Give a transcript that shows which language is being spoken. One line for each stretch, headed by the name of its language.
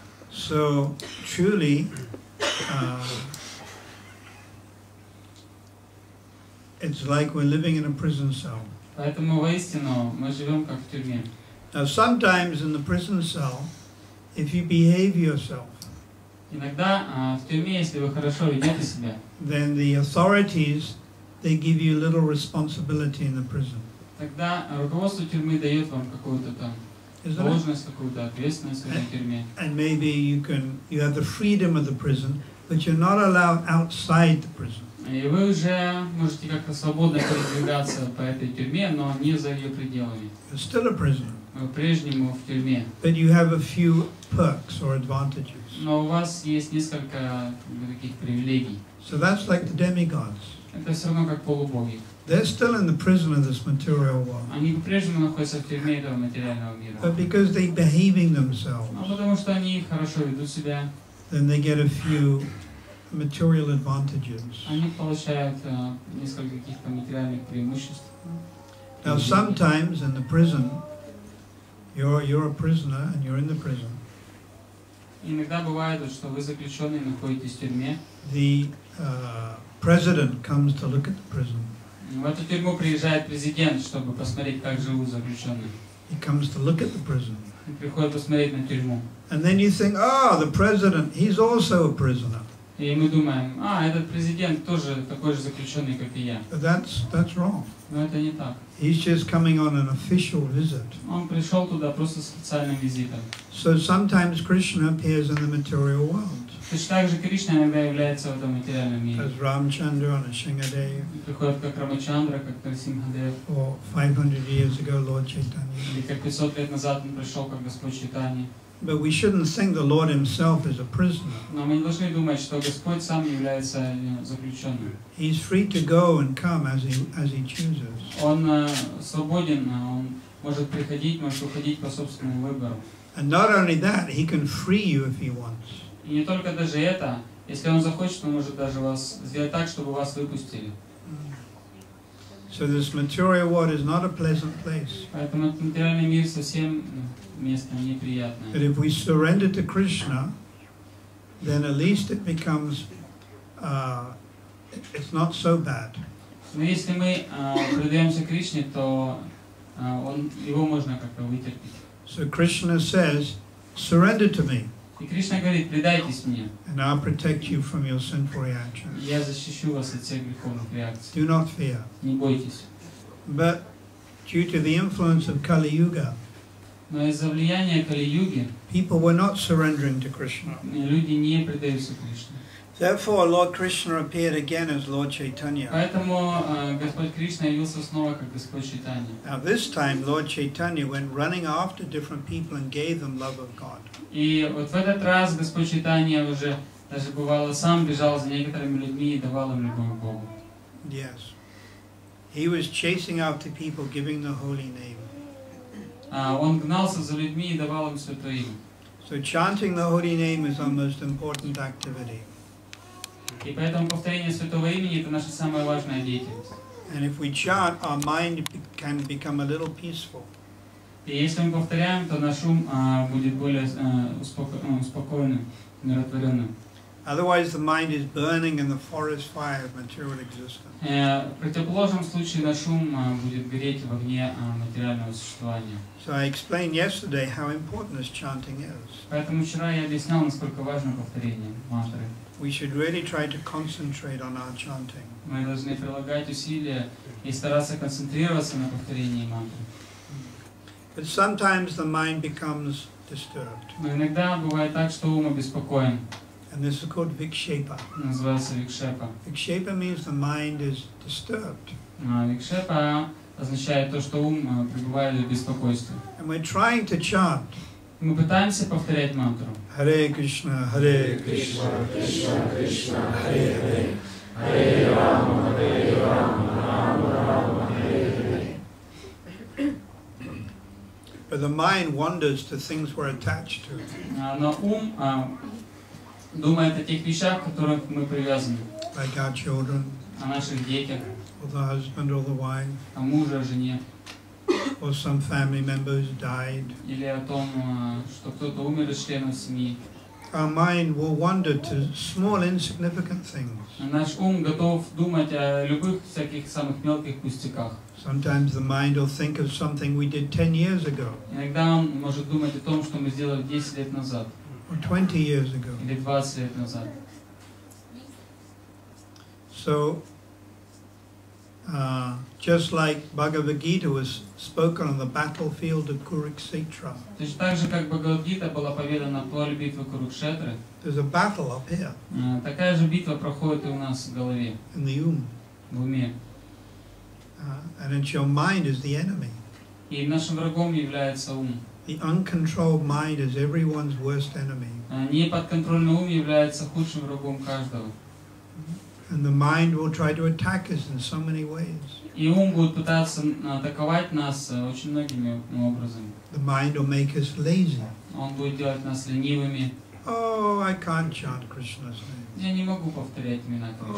English: So truly, it's like we're living in a prison cell.
Russian: Поэтому воистину мы живем как в тюрьме.
English: Now sometimes in the prison cell, if you behave yourself,
Russian: иногда в тюрьме, если вы хорошо ведете себя,
English: then the authorities they give you little responsibility in the prison.
Russian: Тогда руководство тюрьмы дает вам какую-то там должность, какую-то ответственность в тюрьме.
English: And maybe you have the freedom of the prison, but you're not allowed outside the prison.
Russian: И вы уже можете как-то свободно передвигаться по этой тюрьме, но не за ее пределами.
English: You're still a prisoner.
Russian: Вы по-прежнему в тюрьме.
English: But you have a few perks or advantages.
Russian: Но у вас есть несколько таких привилегий.
English: So that's like the demigods.
Russian: Это все равно как полубоги.
English: They're still in the prison of this material world.
Russian: Они по-прежнему находятся в тюрьме этого материального мира.
English: But because they're behaving themselves.
Russian: Но потому что они хорошо ведут себя.
English: Then they get a few material advantages.
Russian: Они получают несколько каких-то материальных преимуществ.
English: Now sometimes in the prison, you're a prisoner and you're in the prison.
Russian: Иногда бывает, что вы заключенный находитесь в тюрьме.
English: The president comes to look at the prison.
Russian: В эту тюрьму приезжает президент, чтобы посмотреть, как живут заключенные.
English: He comes to look at the prison.
Russian: Он приходит посмотреть на тюрьму.
English: And then you think, oh, the president, he's also a prisoner.
Russian: И мы думаем, а, этот президент тоже такой же заключенный, как и я.
English: That's wrong.
Russian: Но это не так.
English: He's just coming on an official visit.
Russian: Он пришел туда просто специальным визитом.
English: So sometimes Krishna appears in the material world.
Russian: То есть также Кришна иногда является в этом материальном мире.
English: As Ramchandra on a Shingadev.
Russian: Приходит как Рамачандра, как Нарсимхадев.
English: Or 500 years ago, Lord Chaitanya.
Russian: Или как 500 лет назад он пришел, как Господь Чайтанья.
English: But we shouldn't think the Lord Himself is a prisoner.
Russian: Но мы не должны думать, что Господь сам является заключенным.
English: He's free to go and come as he chooses.
Russian: Он свободен, он может приходить, может уходить по собственному выбору.
English: And not only that, he can free you if he wants.
Russian: И не только даже это, если он захочет, он может даже вас сделать так, чтобы вас выпустили.
English: So this material world is not a pleasant place.
Russian: Поэтому этот материальный мир совсем место неприятное.
English: But if we surrender to Krishna, then at least it becomes, it's not so bad.
Russian: Но если мы предаемся Кришне, то его можно как-то вытерпеть.
English: So Krishna says, surrender to me.
Russian: И Кришна говорит, предайтесь мне.
English: And I'll protect you from your sinful reactions.
Russian: Я защищу вас от всех греховных реакций.
English: Do not fear.
Russian: Не бойтесь.
English: But due to the influence of Kali Yuga,
Russian: но из-за влияния Кали-юги,
English: people were not surrendering to Krishna.
Russian: Люди не предаются Кришне.
English: Therefore, Lord Krishna appeared again as Lord Chaitanya.
Russian: Поэтому Господь Кришна явился снова как Господь Чайтанья.
English: Now this time, Lord Chaitanya went running after different people and gave them love of God.
Russian: И вот в этот раз Господь Чайтанья уже даже бывало сам бежал за некоторыми людьми и давал им любовь к Богу.
English: Yes, he was chasing after people, giving the holy name.
Russian: Он гнался за людьми и давал им святое имя.
English: So chanting the holy name is our most important activity.
Russian: И поэтому повторение святого имени это наша самая важная деятельность.
English: And if we chant, our mind can become a little peaceful.
Russian: И если мы повторяем, то наш ум будет более успокоенным, умиротворенным.
English: Otherwise, the mind is burning in the forest fire of material existence.
Russian: В противоположном случае наш ум будет гореть в огне материального существования.
English: So I explained yesterday how important this chanting is.
Russian: Поэтому вчера я объяснял, насколько важно повторение мантры.
English: We should really try to concentrate on our chanting.
Russian: Мы должны прилагать усилия и стараться концентрироваться на повторении мантры.
English: But sometimes the mind becomes disturbed.
Russian: Но иногда бывает так, что ум обеспокоен.
English: And this is called vikshepa.
Russian: Называется викшепа.
English: Vikshepa means the mind is disturbed.
Russian: Викшепа означает то, что ум пребывает в беспокойстве.
English: And we're trying to chant.
Russian: Мы пытаемся повторять мантру.
Sanskrit: Hare Krishna, Hare Krishna, Krishna Krishna, Hare Hare. Hare Rama, Hare Rama, Rama Rama, Hare Hare.
English: But the mind wanders to things we're attached to.
Russian: Но ум думает о тех вещах, к которым мы привязаны.
English: Like our children.
Russian: О наших детях.
English: О or the husband or the wife,
Russian: о муже, о жене,
English: or some family member who's died,
Russian: или о том, что кто-то умер из членов семьи,
English: our mind will wander to small, insignificant things.
Russian: Наш ум готов думать о любых всяких самых мелких пустяках.
English: Sometimes the mind will think of something we did 10 years ago.
Russian: Иногда он может думать о том, что мы сделали 10 лет назад.
English: Or 20 years ago.
Russian: Или 20 лет назад.
English: So, just like Bhagavad Gita was spoken on the battlefield of Kurukshetra.
Russian: То есть так же, как Бхагавад Гита была поведана на поле битвы Курукшетры.
English: There's a battle up here.
Russian: Такая же битва проходит и у нас в голове.
English: In the
Russian: ум. В уме.
English: And it's your mind is the enemy.
Russian: И нашим врагом является ум.
English: The uncontrolled mind is everyone's worst enemy.
Russian: Неподконтрольный ум является худшим врагом каждого.
English: And the mind will try to attack us in so many ways.
Russian: И ум будет пытаться атаковать нас очень многими образами.
English: The mind will make us lazy.
Russian: Он будет делать нас ленивыми.
English: Oh, I can't chant Krishna's name.
Russian: Я не могу повторять имена Кришны.